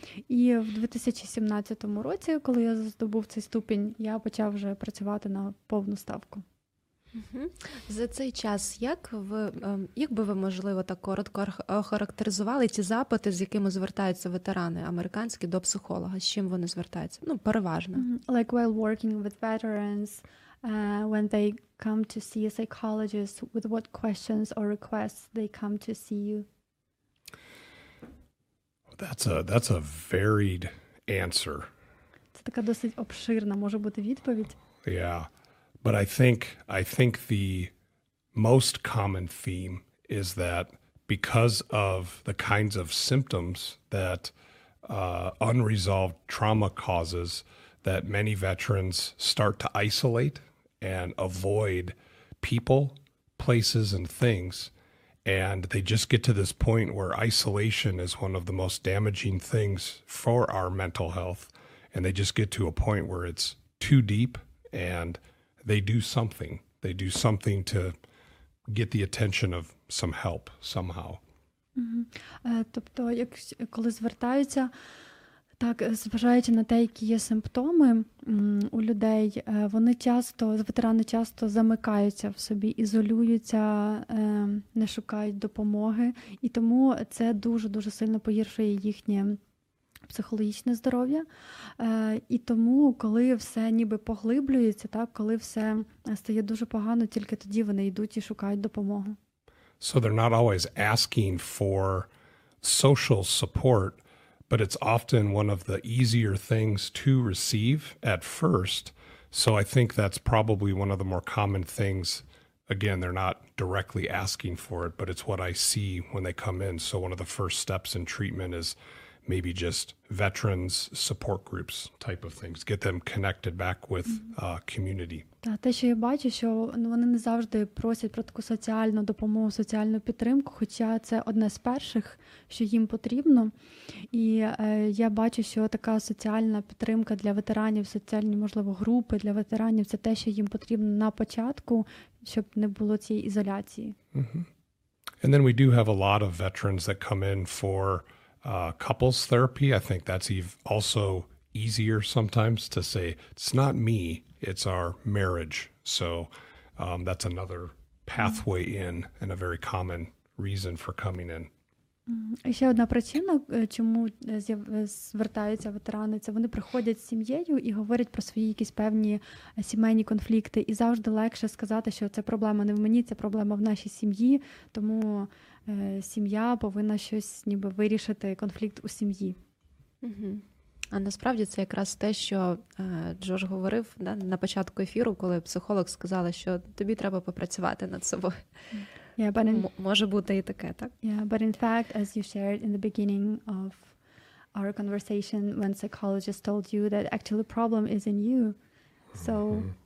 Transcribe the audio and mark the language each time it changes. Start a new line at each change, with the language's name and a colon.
Ukrainian: І в 2017 році, коли я здобув цей ступінь, я почав вже працювати на повну ставку. Mm-hmm. За цей час, як би ви, можливо, так коротко охарактеризували ці запити, з якими звертаються ветерани американські до психолога, з чим вони звертаються? Ну, переважно. Mm-hmm.
English: Like while working with veterans, when they come to see a psychologist, with what questions or requests they come to see you? That's a varied answer.
Ukrainian: Це така досить обширна може бути відповідь.
English: Yeah. But I think the most common theme is that because of the kinds of symptoms that unresolved trauma causes, that many veterans start to isolate and avoid people, places, and things. And they just get to this point where isolation is one of the most damaging things for our mental health. And they just get to a point where it's too deep and they do something. They do something to get the attention of some help somehow.
Ukrainian: Тобто, коли звертаються, так, зважаючи на те, які є симптоми у людей, вони часто, ветерани часто замикаються в собі, ізолюються, не шукають допомоги. І тому це дуже-дуже сильно погіршує їхнє психологічне здоров'я. І тому, коли все ніби поглиблюється, так, коли все стає дуже погано, тільки тоді вони йдуть і шукають допомогу.
English: So they're not always asking for social support, but it's often one of the easier things to receive at first. So I think that's probably one of the more common things. Again, they're not directly asking for it, but it's what I see when they come in. So one of the first steps in treatment is maybe just veterans support groups type of things, get them connected back with community.
Ukrainian: Та те, що я бачу, що вони не завжди просять про таку соціальну допомогу, соціальну підтримку, хоча це одне з перших, що їм потрібно. І я бачу, що така соціальна підтримка для ветеранів, соціальні, можливо, групи для ветеранів, це те, що їм потрібно на початку, щоб не було цієї ізоляції. Mm-hmm.
English: And then we do have a lot of veterans that come in for couples therapy. I think that's also easier sometimes to say, it's not me, it's our marriage. So that's another pathway in and a very common reason for coming in.
Ukrainian: Ще одна причина, чому звертаються ветерани, це вони приходять з сім'єю і говорять про свої якісь певні сімейні конфлікти. І завжди легше сказати, що це проблема не в мені, це проблема в нашій сім'ї, тому сім'я повинна щось ніби вирішити конфлікт у сім'ї. А насправді це якраз те, що Джош говорив на початку ефіру, коли психолог сказала, що тобі треба попрацювати над собою.
English: Yeah, but in,
Ukrainian: може бути і таке, так?
English: Yeah, but in fact, as you shared in the beginning of our conversation, when psychologist told you that actually the problem is in you, so